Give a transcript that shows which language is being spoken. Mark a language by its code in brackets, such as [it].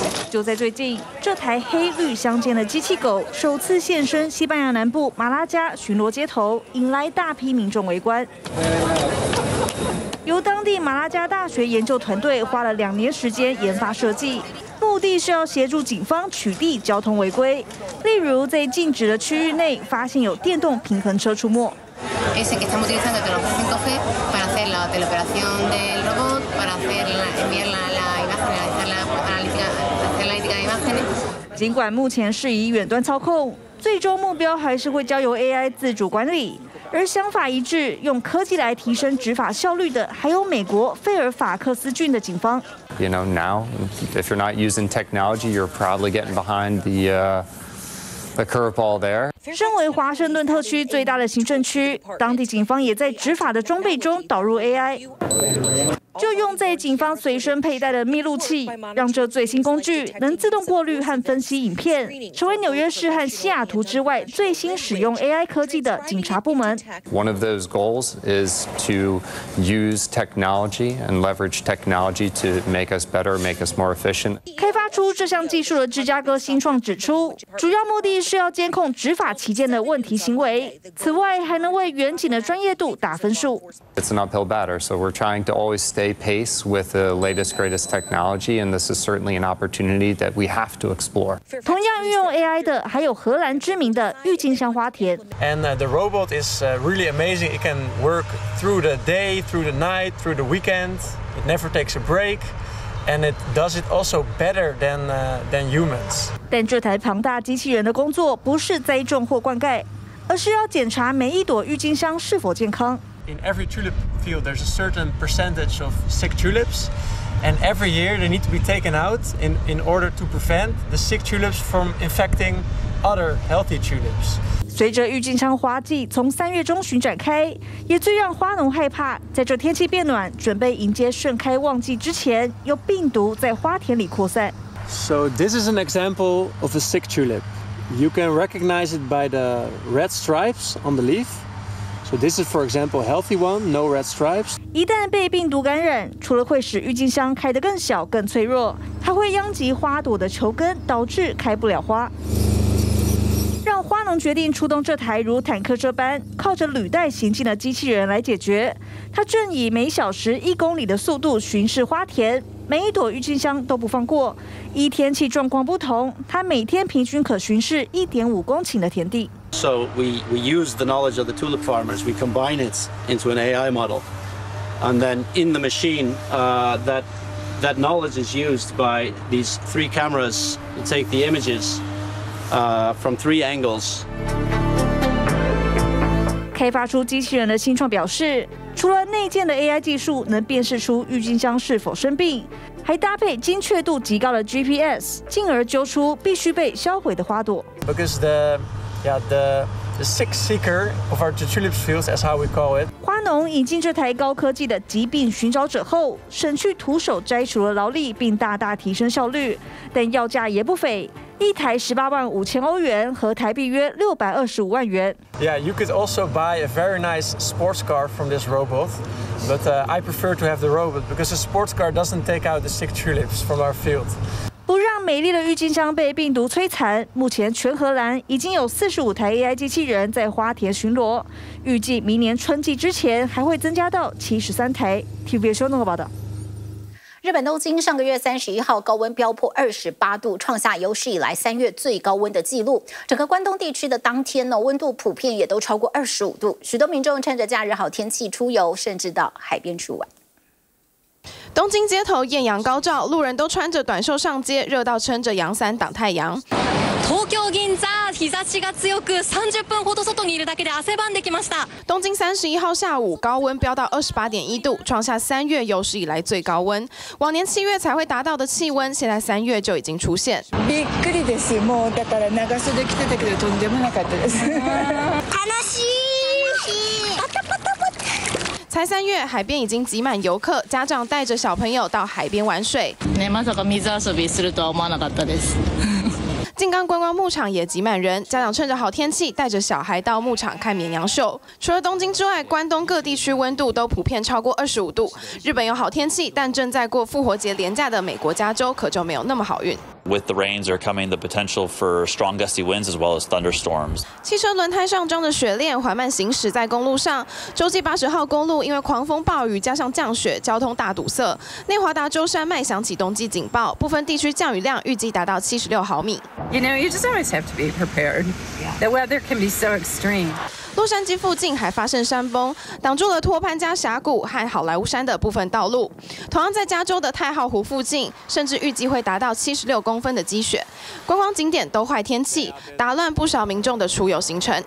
[zh] 就在最近，这台黑绿相间的机器狗首次现身西班牙南部马拉加巡逻街头，引来大批民众围观。由当地马拉加大学研究团队花了2年时间研发设计，目的是要协助警方取缔交通违规，例如在禁止的区域内发现有电动平衡车出没。 [es] Es el que estamos utilizando el teléfono 5G para hacer la teleoperación del robot, para hacer la, enviar la, la imagen, realizar la analítica, hacer la analítica de imágenes. [zh] 尽管目前是以远端操控，最终目标还是会交由 AI 自主管理。而想法一致，用科技来提升执法效率的，还有美国费尔法克斯郡的警方。 [en] You know, now, if you're not using technology, you're probably getting behind the curveball there. [zh] 身为华盛顿特区最大的行政区，当地警方也在执法的装备中导入 AI， 就用在警方随身佩戴的密录器，让这最新工具能自动过滤和分析影片，成为纽约市和西雅图之外最新使用 AI 科技的警察部门。 [en] One of those goals is to use technology and leverage technology to make us better, make us more efficient。 [zh] 开发出这项技术的芝加哥新创指出，主要目的是要监控执法期间的问题行为，此外还能为远景的专业度打分数。 [en] It's an uphill battle, so we're trying to always stay pace with the latest, greatest technology, and this is certainly an opportunity that we have to explore. [zh] 同样运用 AI 的还有荷兰知名的郁金香花田。 [en] And the robot is really amazing. It can work through the day, through the night, through the weekend. It never takes a break. And it does it also better than humans. [zh] 但这台庞大机器人的工作不是栽种或灌溉，而是要检查每一朵郁金香是否健康。 [en] In every tulip field, there's a certain percentage of sick tulips, and every year they need to be taken out in order to prevent the sick tulips from infecting other healthy tulips. [zh] 随着郁金香花季从三月中旬展开，也最让花农害怕，在这天气变暖、准备迎接盛开旺季之前，有病毒在花田里扩散。 [en] So this is an example of a sick tulip. You can recognize it by the red stripes on the leaf. So this is, for example, healthy one, no red stripes. [zh] 一旦被病毒感染，除了会使郁金香开得更小、更脆弱，还会殃及花朵的球根，导致开不了花。让花农决定出动这台如坦克车般靠着履带行进的机器人来解决。它正以每小时1公里的速度巡视花田，每一朵郁金香都不放过。依天气状况不同，它每天平均可巡视1.5公顷的田地。 [en] So we use the knowledge of the tulip farmers. We combine it into an AI model, and then in the machine, that knowledge is used by these three cameras to take the images from three angles. [zh] 开发出机器人的新创表示，除了内建的 AI 技术能辨识出郁金香是否生病，还搭配精确度极高的 GPS， 进而揪出必须被销毁的花朵。 [en] Because the sick seeker of our tulip fields, as how we call it. [zh] 花农引进这台高科技的疾病寻找者后，省去徒手摘除了劳力，并大大提升效率。但要价也不菲，一台18.5万欧元，和台币约625万元。 [en] Yeah, you could also buy a very nice sports car from this robot, but I prefer to have the robot because a sports car doesn't take out the sick tulips from our field. [zh] 不让美丽的郁金香被病毒摧残，目前全荷兰已经有45台 AI 机器人在花田巡逻，预计明年春季之前还会增加到73台。 TVBS 综合报道。日本东京上个月31号高温飙破28度，创下有史以来3月最高温的记录。整个关东地区的当天呢，温度普遍也都超过25度，许多民众趁着假日好天气出游，甚至到海边去玩。东京街头艳阳高照，路人都穿着短袖上街，热到撑着阳伞挡太阳。 [ja] 東京銀座日差しが強く、30分ほど外にいるだけで汗ばんできました。 [zh] 東京31号下午高温飙到28.1度，创下3月有史以来最高温。往年7月才会达到的气温，现在3月就已经出现。 [ja] びっくりです。もうだから長袖着てたけどとんでもなかったです。悲しい。 [zh] 才三月，海边已经挤满游客，家长带着小朋友到海边玩水。 [ja] ね、まさか水遊びするとは思わなかったです。 [zh] 静冈观光牧场也挤满人，家长趁着好天气带着小孩到牧场看绵羊秀。除了东京之外，关东各地区温度都普遍超过25度。日本有好天气，但正在过复活节连假的美国加州可就没有那么好运。 [en] With the rains are coming the potential for strong gusty winds as well as thunderstorms. [zh] 汽车轮胎上装的雪链缓慢行驶在公路上。洲际80号公路因为狂风暴雨加上降雪，交通大堵塞。内华达州山脉响起冬季警报，部分地区降雨量预计达到76毫米。 [en] You know, you just always have to be prepared. The weather can be so extreme. [zh] 洛杉矶附近还发生山崩，挡住了托潘加峡谷和好莱坞山的部分道路。同样在加州的太浩湖附近，甚至预计会达到76公分的积雪。观光景点都坏天气，打乱不少民众的出游行程。